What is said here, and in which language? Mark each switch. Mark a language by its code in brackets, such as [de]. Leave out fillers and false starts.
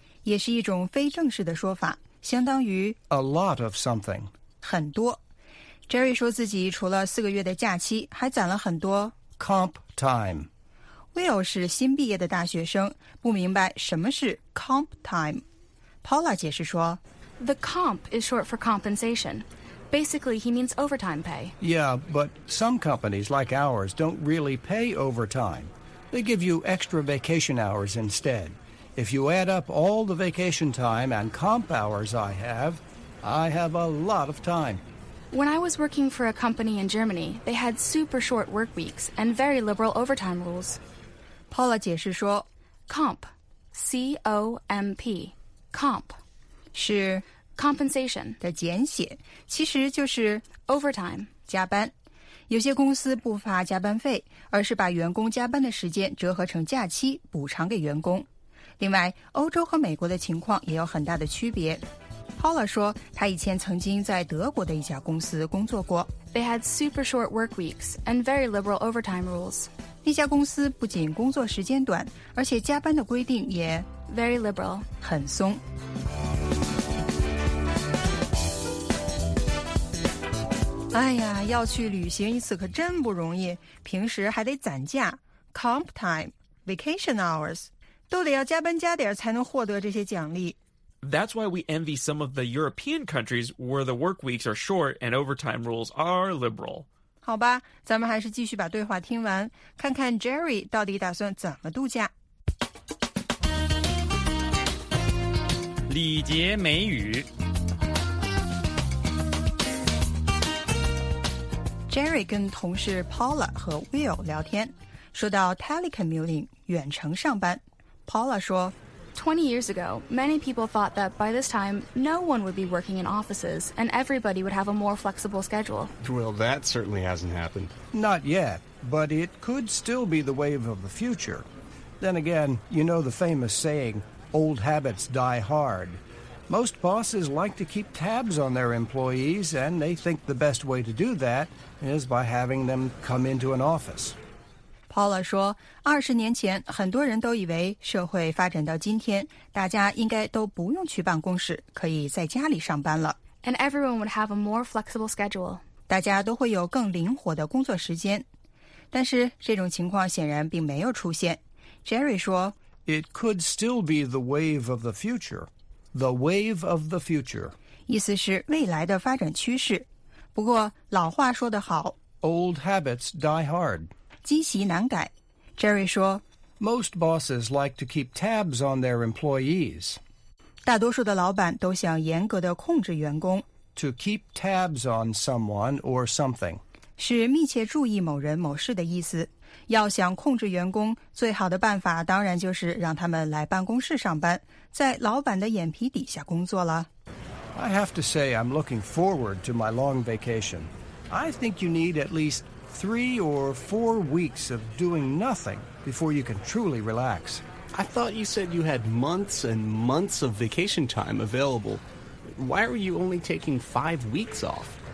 [zh] 也是一种非正式的说法，相当于 [en] A lot of something. [zh] 很多。 Jerry 说自己除了四个月的假期，还攒了很多 [en] comp time。 [zh] Will 是新毕业的大学生，不明白什么是 comp time。 Paula 解释说 [en] ，The comp is short for compensation. Basically, he means overtime pay. Yeah, but some companies like ours don't really pay overtime. They give you extra vacation hours instead. If you add up all the vacation time and comp hours I have a lot of time. When I was working for a company in Germany, they had super short work weeks and very liberal overtime rules. [zh] Paula 解释说 [en] comp, C-O-M-P, comp, [zh] 是 [en] compensation [zh] 的简写，其实就是 [en] overtime, [zh] 加班。有些公司不发加班费，而是把员工加班的时间折合成假期补偿给员工。另外，欧洲和美国的情况也有很大的区别。 Paula 说，他以前曾经在德国的一家公司工作过。 [en] They had super short work weeks and very liberal overtime rules. [zh] 那家公司不仅工作时间短，而且加班的规定也 [en] very liberal， [zh] 很松。哎呀，要去旅行一次可真不容易，平时还得攒假 ， [en] comp time， vacation hours， [zh] 都得要加班加点才能获得这些奖励。 [en] That's why we envy some of the European countries where the work weeks are short and overtime rules are liberal. [zh] 好吧，咱们还是继续把对话听完，看看 Jerry 到底打算怎么度假。礼节美语。 Jerry 跟同事 Paula 和 Will 聊天，说到 telecommuting 远程上班 ，Paula 说。 [en] 20 years ago, many people thought that by this time, no one would be working in offices and everybody would have a more flexible schedule. Well, that certainly hasn't happened. Not yet, but it could still be the wave of the future. Then again, you know the famous saying, old habits die hard. Most bosses like to keep tabs on their employees, and they think the best way to do that is by having them come into an office. [zh] Paula 说，20年前很多人都以为社会发展到今天，大家应该都不用去办公室，可以在家里上班了。 [en] And everyone would have a more flexible schedule. [zh] 大家都会有更灵活的工作时间。但是这种情况显然并没有出现。 Jerry 说 [en] ，It could still be the wave of the future. The wave of the future. [zh] 意思是未来的发展趋势。不过老话说得好 [en] ，Old habits die hard. [zh] 积习难改 ，Jerry 说。 [en] Most bosses like to keep tabs on their employees. [zh] 大多数的老板都想严格地控制员工。 [en] To keep tabs on someone or something. [zh] 是密切注意某人某事的意思。要想控制员工，最好的办法当然就是让他们来办公室上班，在老板的眼皮底下工作了。 [en] I have to say I'm looking forward to my long vacation. I think you need at least... 3 or 4 weeks of doing nothing before you can truly relax. I thought you said you had months and months of vacation time available. Why were you only taking 5 weeks off?